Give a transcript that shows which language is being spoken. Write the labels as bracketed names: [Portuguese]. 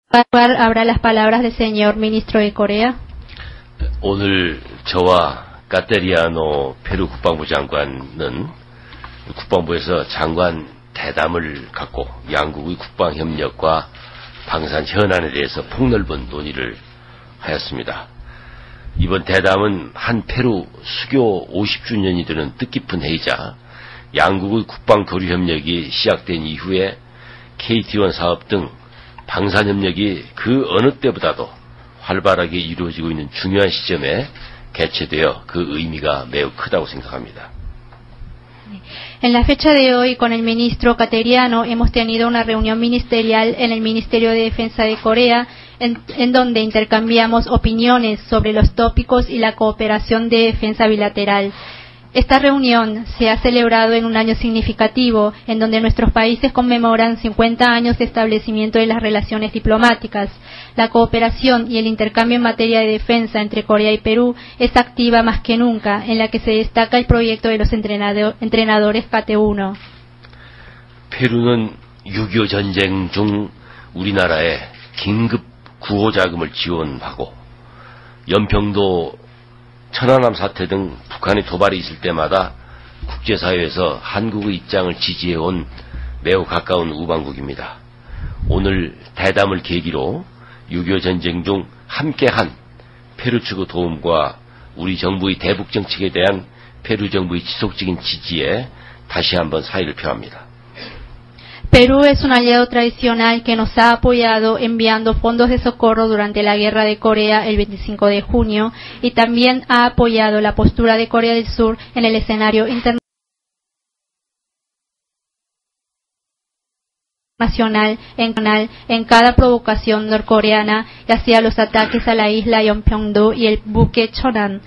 [Spanish] ¿Cuál habrá las palabras del señor ministro de Corea? [Korean] 오늘 저와 카테리아노 페루 국방부 장관은 국방부에서 장관 대담을 갖고 양국의 국방 협력과 방산 현안에 대해서 폭넓은 논의를 하였습니다. 이번 대담은 한 페루 수교 50주년이 되는 뜻깊은 해이자 양국의 국방 교류 협력이 시작된 이후에 KT1 사업 등 방산 협력이 그 어느 때보다도 활발하게 이루어지고 있는 중요한 시점에 개최되어 그 의미가 매우 크다고 생각합니다. [Spanish] En la fecha de hoy con el ministro Cateriano hemos tenido una reunión ministerial en el Ministerio de Defensa de Corea en donde intercambiamos opiniones sobre los tópicos y la cooperación de defensa bilateral. Esta reunión se ha celebrado en un año significativo en donde nuestros países conmemoran 50 años de establecimiento de las relaciones diplomáticas. La cooperación y el intercambio en materia de defensa entre Corea y Perú es activa más que nunca, en la que se destaca el proyecto de los entrenadores KT1. [Korean] Perú는 6.25 전쟁 중 우리나라에 긴급 구호 자금을 지원하고 연평도 천안함 사태 등 북한의 도발이 있을 때마다 국제사회에서 한국의 입장을 지지해온 매우 가까운 우방국입니다. 오늘 대담을 계기로 6.25 전쟁 중 함께한 페루 측의 도움과 우리 정부의 대북 정책에 대한 페루 정부의 지속적인 지지에 다시 한번 사의를 표합니다. [Spanish] Perú es un aliado tradicional que nos ha apoyado enviando fondos de socorro durante la Guerra de Corea el 25 de junio y también ha apoyado la postura de Corea del Sur en el escenario internacional en cada provocación norcoreana y hacia los ataques a la isla Yeongpyeongdo y el buque Cheonan.